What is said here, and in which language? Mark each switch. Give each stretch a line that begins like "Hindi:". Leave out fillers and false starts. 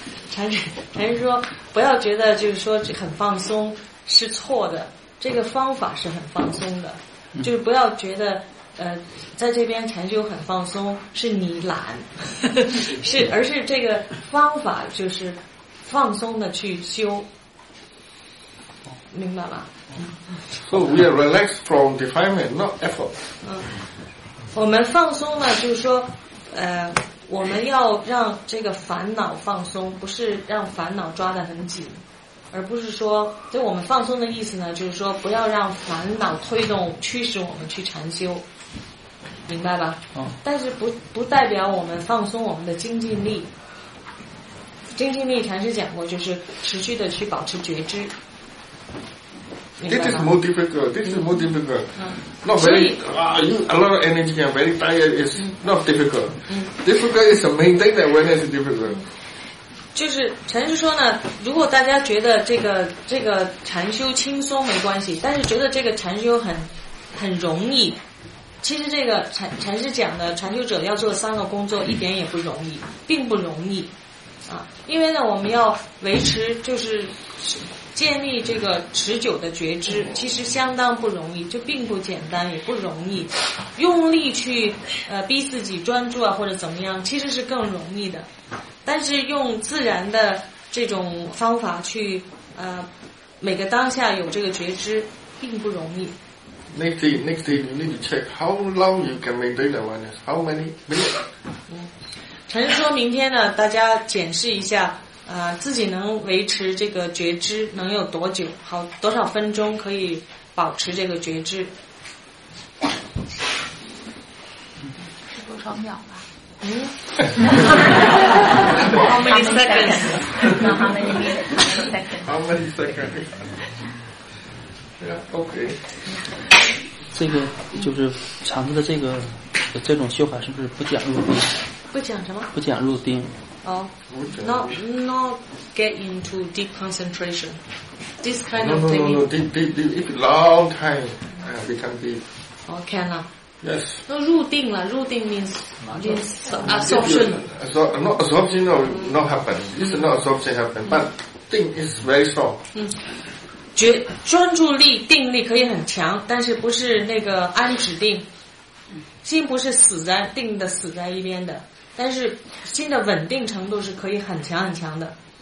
Chinese: Chan 说不要觉得就是说很放松是错的，这个方法是很放松的，就是不要觉得在这边禅修很放松是你懒是，而是这个方法就是放松的去修，明白吧？
English: So we are relaxed from defilement, not effort.
Chinese: 我们放松呢就是说我们要让这个烦恼放松，不是让烦恼抓得很紧，而不是说，所以我们放松的意思呢就是说不要让烦恼推动驱使我们去禅修，明白吧？但是不代表我们放松我们的精进力。精进力禅师讲过，就是持续的去保持觉知。
English: This is more difficult. This is more difficult. Not very, a lot of energy and very tired is not difficult. Difficult is the main thing that awareness is difficult.
Chinese: 就是陈师说呢，如果大家觉得这个禅修轻松没关系，但是觉得这个禅修很容易，其实这个禅师讲的禅修者要做三个工作一点也不容易，并不容易啊，因为呢我们要维持就是建立这个持久的觉知，其实相当不容易，就并不简单也不容易，用力去逼自己专注啊或者怎么样其实是更容易的，但是用自然的这种方法去每个当下有这个觉知并不容易。
English: Next day, you need to check how long you can maintain awareness, how many minutes.
Chinese: 陈说明天呢大家检视一下自己能维持这个觉知能有多久，好多少分钟可以保持这个觉知。多少秒吧。
English: How many seconds? Yeah, okay.
Chinese: 这个就是禅的这种修法是不是不讲入定？不讲什么？不讲入定。
English: Not get into deep concentration. This kind of thing. No. Deep. It's long time. Become deep. Okay, now. Yes.
Chinese: 那入定了，入定
English: means absorption. Not absorption, not happen. It's not absorption happen, but 定 is very strong.
Chinese: 专注力、定力可以很强，但是不是那个安止定。心不是死在定的死在一边的，但是心的稳定程度是可以很强很强的。